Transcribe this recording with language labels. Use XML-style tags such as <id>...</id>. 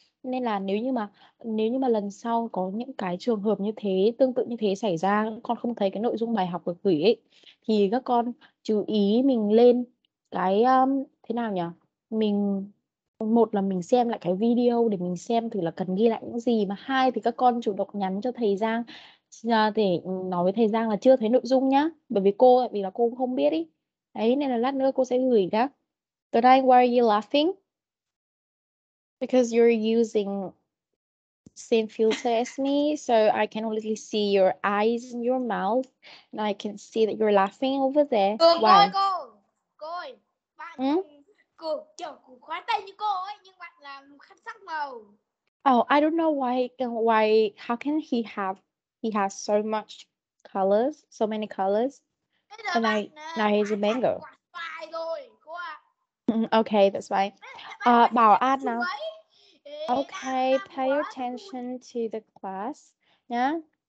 <vi>Nên là nếu như mà lần sau có những cái trường hợp như thế, tương tự như thế xảy ra, con không thấy cái nội dung bài học được gửi ấy, thì các con chú ý mình lên cái thế nào nhỉ, mình một là mình xem lại cái video để mình xem thử là cần ghi lại những gì, mà hai thì các con chủ động nhắn cho thầy Giang để nói với thầy Giang là chưa thấy nội dung nhá, bởi vì cô vì là cô cũng không biết ý ấy, nên là lát nữa cô sẽ gửi các.</vi> <en>Today, why are you laughing? Because you're using same filter as me, so I can only see your eyes and your mouth, and I can see that you're laughing over there.</en> <vi>Cường</vi> <en>Why?</en> <vi>Cô ơi, bạn cường kiểu cũng khóa tay như cô ấy, nhưng bạn làm khăn sắc màu.</vi> <en>Oh, I don't know how can he has so much colors, so many colors, and</en> <vi>bạn,</vi> <en>now he's a mango.</en> <vi>Bạn quạt bài rồi, cô ạ.</vi> <en>Okay, that's why.</en> <vi>Bảo An nào.</vi> <en>Okay, pay attention to the class. Yeah.</en>